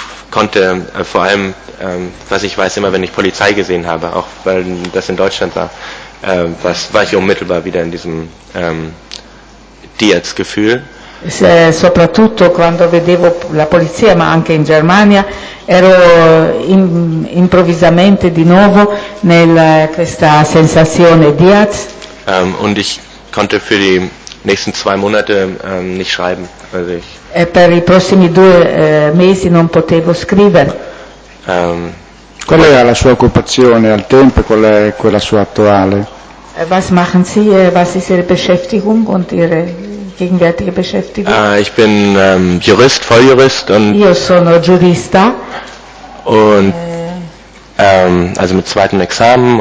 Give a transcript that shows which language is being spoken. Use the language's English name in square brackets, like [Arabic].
[German] Konnte vor allem, was ich weiß, immer wenn ich Polizei gesehen habe, auch weil das in Deutschland war, war ich unmittelbar wieder in diesem Diaz-Gefühl. [Italian] Soprattutto quando vedevo la polizia, ma anche in Germania, ero improvvisamente di nuovo nella questa sensazione Diaz. [German] Und ich konnte für die nächsten zwei Monate nicht schreiben. Also ich, [Italian] e per i prossimi due mesi non potevo scrivere. Qual è la sua occupazione al tempo e qual è quella sua attuale? [German] Was machen Sie, was ist Ihre Beschäftigung und Ihre gegenwärtige Beschäftigung? Ich bin Jurist, Volljurist. Und [Italian] io sono giurista. [German] Und, also mit zweitem Examen.